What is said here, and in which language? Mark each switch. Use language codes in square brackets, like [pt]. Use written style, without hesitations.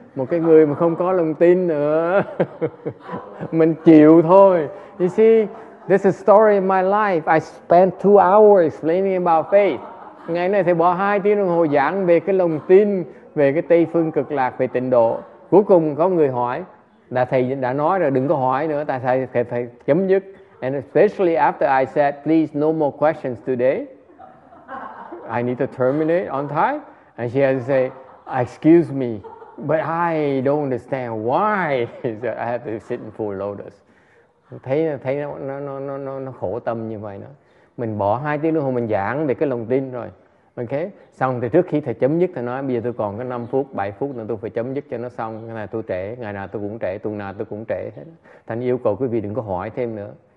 [vi] Một cái người mà không có lòng tin nữa. Mình chịu thôi. [en] You see, this is a story of my life. I spent 2 hours explaining about faith. [vi] Ngày nay thầy bỏ 2 tiếng đồng hồ giảng về cái lòng tin, về cái Tây Phương Cực Lạc, về tịnh độ. Cuối cùng có người hỏi. Là thầy đã nói rồi, đừng có hỏi nữa. Tại sao thầy phải chấm dứt? [en] And especially after I said, please, no more questions today. I need to terminate on time. And she has to say, excuse me, but I don't understand why I have to sit in full lotus. [vi] Thấy nó khổ tâm như vậy nữa. Mình bỏ 2 tiếng đồng hồ mình giảng về cái lòng tin rồi. Okay? Xong thì trước khi thầy chấm dứt, thầy nói, bây giờ tôi còn có 5 phút, 7 phút nữa tôi phải chấm dứt cho nó xong. Ngày nào tôi trễ, ngày nào tôi cũng trễ, tuần nào tôi cũng trễ. Thành yêu cầu quý vị đừng có hỏi thêm nữa.